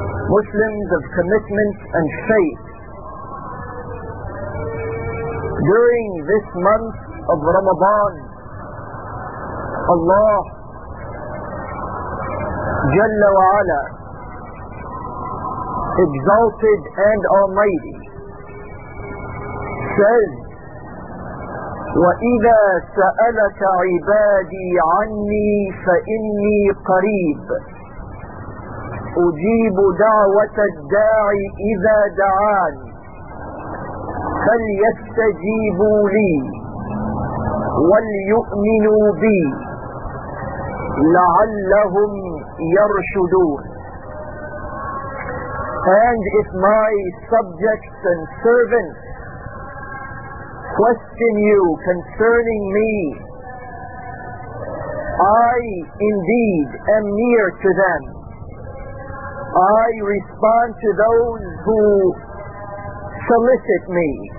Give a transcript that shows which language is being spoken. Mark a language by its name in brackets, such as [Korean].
[English] Muslims of commitment and faith. During this month of Ramadan, Allah Jalla wa Ala, exalted and almighty, says, [Arabic] وَإِذَا سَأَلَكَ عِبَادِي عَنِّي فَإِنِّي قَرِيبٌ أُجِيبُ دَعْوَةَ الدَّاعِ إِذَا دَعَانِ فَلْيَسْتَجِيبُوا لِي وَلْيُؤْمِنُوا بِي لَعَلَّهُمْ يَرْشُدُونَ. [English] And if my subjects and servants question you concerning me, I indeed am near to them. I respond to those who solicit me.